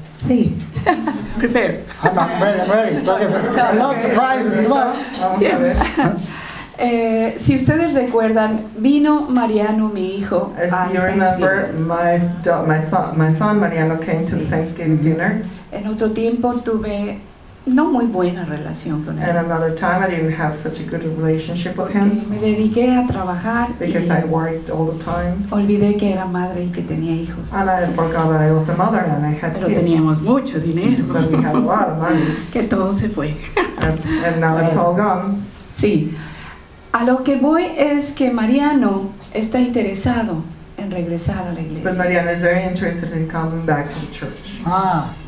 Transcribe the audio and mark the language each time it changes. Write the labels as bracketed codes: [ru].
[es] Sí. Prepare. [en] I'm ready. No surprises as well. [es] Vamos a ver. Si ustedes recuerdan, vino Mariano, mi hijo, [en] as a you remember, my son Mariano came to the Thanksgiving dinner. [es] En otro tiempo tuve no muy buena relación con él. [en] And another time I didn't have such a good relationship with him. [es] Me dediqué a trabajar. [en] Because I worked all the time. [es] Olvidé que era madre y que tenía hijos. [en] And I forgot that I was a mother and I had [es] pero [en] kids. [es] Pero teníamos mucho dinero. [en] But we had a lot of money. [es] Que todo se fue. [en] And now it's all gone. [es] Sí. A lo que voy es que Mariano está interesado en regresar a la iglesia. [en] But Mariano is very interested in coming back to the church.